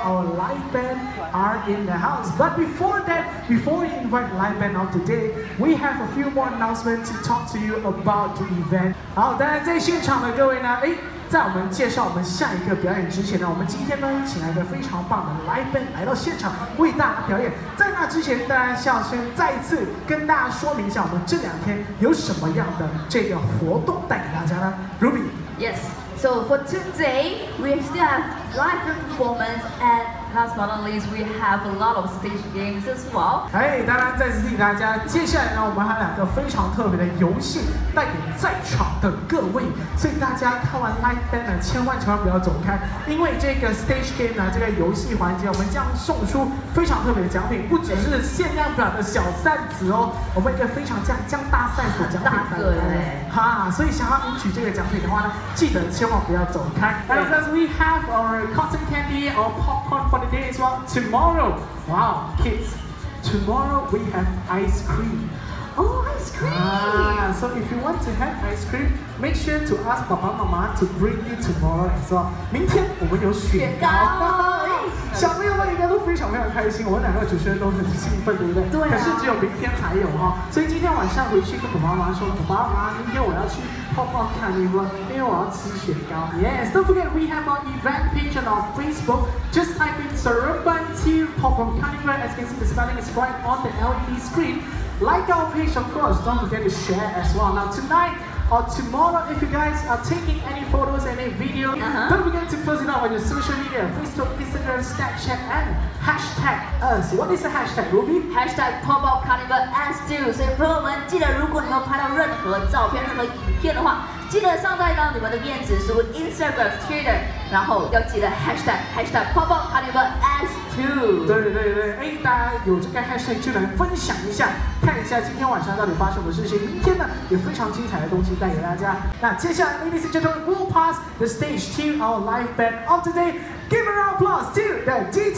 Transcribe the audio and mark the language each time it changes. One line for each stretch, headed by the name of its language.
English: Our live band are in the house. But before that, before we invite live band of today, we have a few more announcements to talk to you about the event.
Chinese: 好，当然在现场的各位呢，哎，在我们介绍我们下一个表演之前呢，我们今天呢请来一个非常棒的 live band 来到现场为大家表演。在那之前，当然要先再次跟大家说明一下，我们这两天有什么样的这个活动带给大家呢 ？Ruby。
English: Yes, so for today, we still have live performance at Last but not least, we have a lot of stage games as well.
Chinese: Hey, 当然再次提醒大家，接下来呢，我们还有两个非常特别的游戏带给在场的各位，所以大家看完 Live Band 呢，千万千万不要走开，因为这个 stage game 呢，这个游戏环节，我们将送出非常特别的奖品，不只是限量版的小扇子哦，我们一个非常将大赛所奖品带来。哈，所以想要赢取这个奖品的话呢，记得千万不要走开。
English: And because we have our cotton candy or popcorn for the day as well. Tomorrow, wow, kids, tomorrow we have ice cream. Oh, ice cream! So if you want to have ice cream, make sure to ask
Chinese: 爸爸妈妈
English: to bring you tomorrow as well.
Chinese: 明天我们有雪糕。小朋友们应该都非常非常开心，我们两个主持人都很兴奋，对不对？对、啊。可是只有明天才有哈、哦，所以今天晚上回去跟爸爸妈妈说，爸爸妈妈，明天我要去泡泡 Carnival， 因为我要吃雪糕。
English: Yes, don't forget we have our event page on our Facebook. Just type in Seremban Team Popcorn Carnival. As you can see, the spelling is right on the LED screen. Like our page, of course. Don't forget to share as well. Now tonight. Or tomorrow, if you guys are taking any photos, any video,、don't forget to post it up on your social media, Facebook, Instagram, Snapchat, and hashtag us. What is the hashtag, Ruby? Hashtag Popcorn Carnival S2. So,
Chinese: 朋友们，记得如果你们拍到任何照片、任何影片的话，记得上载到你们的电子书 Instagram、Twitter， 然后要记得 hashtag Popcorn Carnival S2. 对对对，哎，大家有这个 hashtag 就来分享一下，看一下今天晚上到底发生的事情。明天呢，有非常精彩的东西带给大家。那接下来
English: ，ladies and gentlemen, we'll pass the stage to our live band of the day. Give a round of applause to the DT.